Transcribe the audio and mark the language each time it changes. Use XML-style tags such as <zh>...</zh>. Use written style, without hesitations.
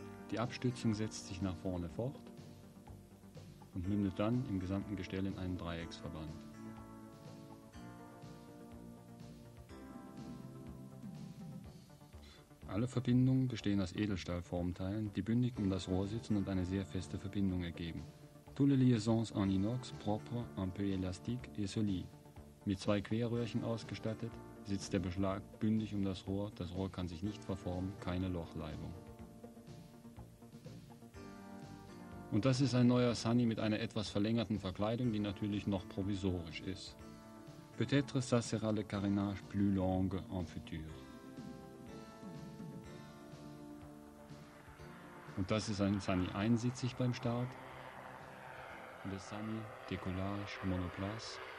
<de>Die Abstützung setzt sich nach vorne fort und mündet dann im gesamten Gestell in einen Dreiecksverband. Alle Verbindungen bestehen aus Edelstahlformteilen, die bündig um das Rohr sitzen und eine sehr feste Verbindung ergeben.</de> <fr>Tous les liaisons en inox, propre, un peu élastique et solide.</fr> <de>Mit zwei Querröhrchen ausgestattet, sitzt der Beschlag bündig um das Rohr kann sich nicht verformen, keine Lochleibung. Und das ist ein neuer Sunny mit einer etwas verlängerten Verkleidung, die natürlich noch provisorisch ist.</de> <fr>Peut-être ça sera le carénage plus long en futur.</fr> <de>Und das ist ein Sunny einsitzig beim Start.</de> <fr>Le Sunny décollage monoplace.</fr>